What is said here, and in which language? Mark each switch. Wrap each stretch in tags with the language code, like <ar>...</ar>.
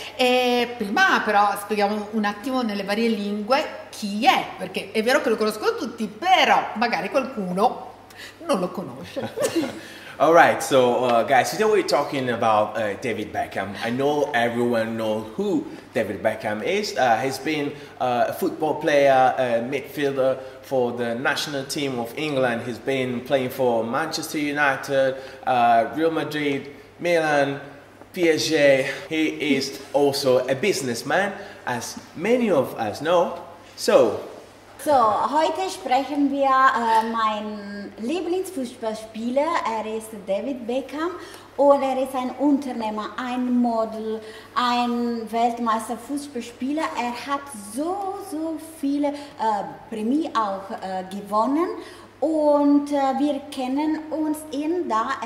<it>E prima però spieghiamo un attimo nelle varie lingue chi è, perché è vero che lo conoscono tutti, però magari qualcuno non lo conosce.</it> <en>All right, so guys, today we're talking about David Beckham. I know everyone knows who David Beckham is. He's been a football player, a midfielder for the national team of England. He's been playing for Manchester United, Real Madrid, Milan, PSG. He is also a businessman, as many of us know.</en> <de>So, heute sprechen wir, mein Lieblingsfußballspieler, er ist David Beckham und er ist ein Unternehmer, ein Model, ein Weltmeister-Fußballspieler. Er hat so viele Prämien auch gewonnen und wir kennen uns ihn da.</de>